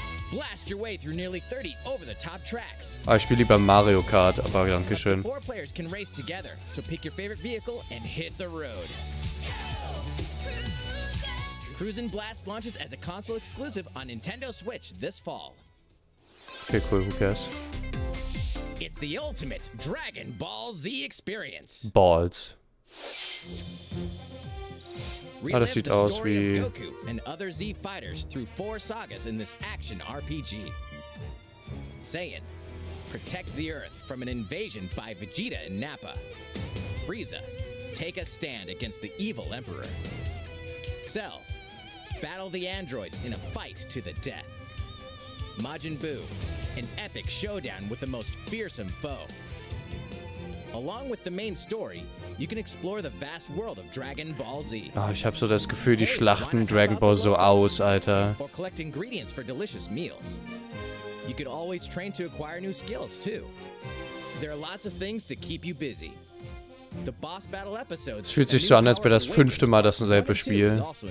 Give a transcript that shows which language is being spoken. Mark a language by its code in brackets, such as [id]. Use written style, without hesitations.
[en] Blast your way through nearly 30 over the top tracks. [de] Ah, ich spiele lieber Mario Kart, aber danke schön. [en] Four players can race together, so pick your favorite vehicle and hit the road. Cruisin' Blast launches as a console exclusive on Nintendo Switch this fall. Okay, cool, who cares? It's the ultimate Dragon Ball Z experience. Balls. [de] Ah, das sieht aus wie Goku [en] and other Z fighters through four sagas in this action RPG. Saiyan, protect the Earth from an invasion by Vegeta and Nappa. Frieza, take a stand against the evil Emperor. Cell, battle the androids in a fight to the death. Majin Buu, an epic showdown with the most fearsome foe. Along with the main story, you can explore the vast world of Dragon Ball Z. [de] Ah, ich hab so das Gefühl, die schlachten Dragon Ball so aus, Alter. [en] Or collect ingredients for delicious meals. You could always train to acquire new skills, too. There are lots of things to keep you busy. The boss battle episodes. [de] Es fühlt sich so an, als wäre das fünfte Mal dasselbe Spiel.